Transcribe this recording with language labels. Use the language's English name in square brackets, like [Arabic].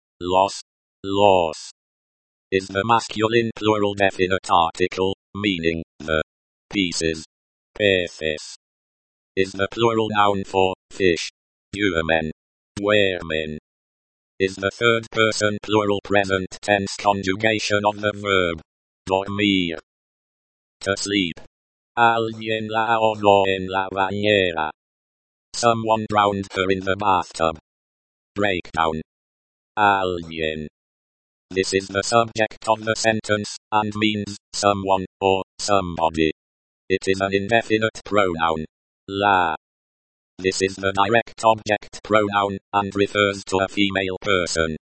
[English] Los. Los. Is the masculine plural definite article, meaning, the. Pieces. Peces. Is the plural noun for, fish. Duermen. Duermen. Is the third person plural present tense conjugation of the verb. Dormir. To sleep. [Spanish] Alguien la ahogó en la bañera. [English] Someone drowned her in the bathtub. Breakdown. Alguien. This is the subject of the sentence, and means, someone, or, somebody. It is an indefinite pronoun. La. This is the direct object pronoun, and refers to a female person.